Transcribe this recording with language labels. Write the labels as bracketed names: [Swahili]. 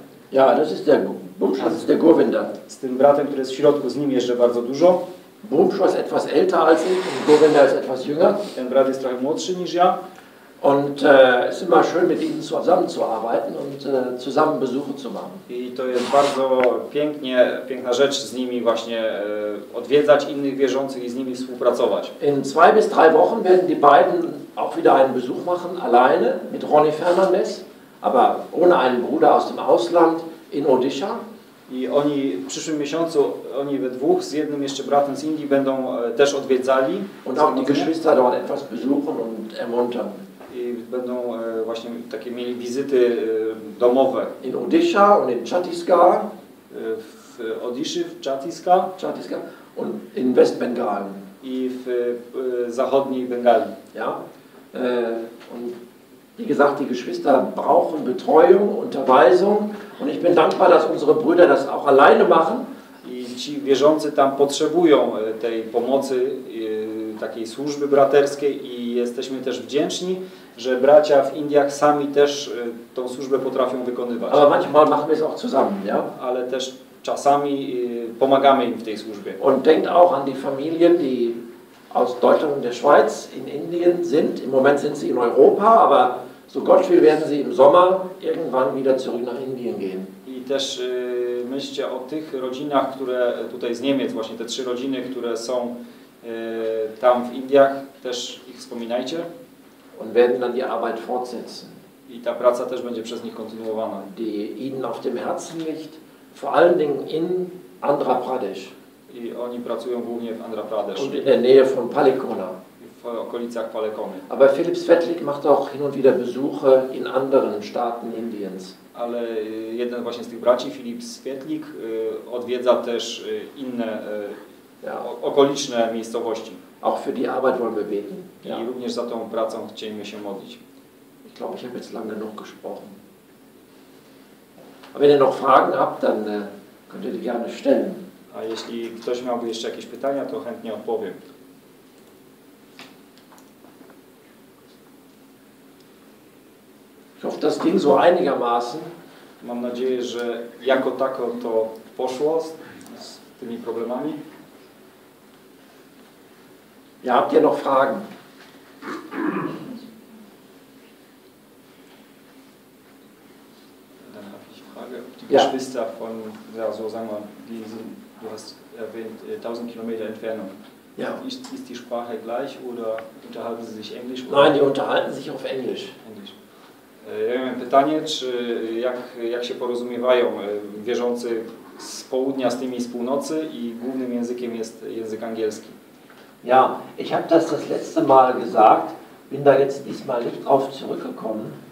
[German] Ja, das ist der Bumsho, das ist der Govinda. [Polish] Z tym bratem, który jest w środku, z nim jeżdżę bardzo dużo. [German] Bumsho ist etwas älter als ich, und Govinda ist etwas jünger. [Polish] Ten brat jest trochę młodszy niż ja. [German] Und es ist immer schön, mit ihnen zusammenzuarbeiten und zusammen Besuche zu machen. [Polish] I to jest bardzo pięknie, piękna rzecz z nimi właśnie odwiedzać innych wierzących i z nimi współpracować. [German] In 2 bis 3 Wochen werden die beiden auch wieder einen Besuch machen, alleine, mit Ronnie Fernandez, aber ohne einen Bruder aus dem Ausland in Odisha. [Polish] I oni w przyszłym miesiącu, oni we dwóch, z jednym jeszcze bratem z Indii, będą też odwiedzali. [German] Und auch die Geschwister dort etwas besuchen und ermuntern. [Polish] I będą właśnie takie mieli wizyty domowe. [German] In Odisha und in Chhattisgarh. [Polish] W Odiszy, w Chhattisgarh. [German] Chhattisgarh. Und in West Bengal. [Polish] I w zachodniej Bengali. [German] Ja. Und wie gesagt, die Geschwister brauchen Betreuung, Unterweisung. Und ich bin dankbar, dass unsere Brüder das auch alleine machen. [Polish] I ci wierzący tam potrzebują tej pomocy, takiej służby braterskiej i jesteśmy też wdzięczni, że bracia w Indiach sami też tą służbę potrafią wykonywać. [German] Ale manchmal machen wir es auch zusammen, ja? [Polish] Ale też czasami pomagamy im w tej służbie. [German] Und denkt auch an die Familien, die aus Deutschland und der Schweiz in Indien sind. Im Moment sind sie in Europa, aber so Gott will, werden sie im Sommer irgendwann wieder zurück nach Indien gehen. [Polish] I też myślcie o tych rodzinach, które tutaj z Niemiec, właśnie te 3 rodziny, które są tam w Indiach, też ich wspominajcie. [German] Und werden dann die Arbeit fortsetzen. [Polish] I ta praca też będzie przez nich kontynuowana. [German] Die ihnen auf dem Herzen liegt, vor allen Dingen in Andhra Pradesh. [Polish] I oni pracują głównie w Andhra Pradesh. [German] Und in der Nähe von Palikona. [Polish] W okolicach Palekony. [German] Aber Philipp Svetlik macht auch hin und wieder Besuche in anderen Staaten Indiens. [Polish] Ale jeden właśnie z tych braci, Philipp Svetlik, odwiedza też inne okoliczne miejscowości. [German] Auch für die Arbeit wollen wir beten. Ja. [Polish] I również za tą pracą chcielibyśmy się modlić. [German] Ich glaube, ich habe jetzt lange genug gesprochen. Aber wenn ihr noch Fragen habt, dann könnt ihr die gerne stellen. [Polish] A jeśli ktoś miałby jeszcze jakieś pytania, to chętnie odpowiem. [German] Ich hoffe, das ging so einigermaßen. [Polish] Mam nadzieję, że jako tako to poszło z tymi problemami. [German] Ja, habt ihr noch Fragen? Dann habe ich Frage, ob die Geschwister von, ja, so sagen wir, die sind, du hast erwähnt, 1000 Kilometer Entfernung. Ja. Ist die Sprache gleich oder unterhalten sie sich Englisch? Oder? Nein, die unterhalten sich auf Englisch. Englisch. [Polish] Ja miałem pytanie, czy jak się porozumiewają wierzący z południa z tymi z północy i głównym językiem jest język angielski. [German] Ja, ich habe das letzte Mal gesagt, bin da jetzt diesmal nicht drauf zurückgekommen.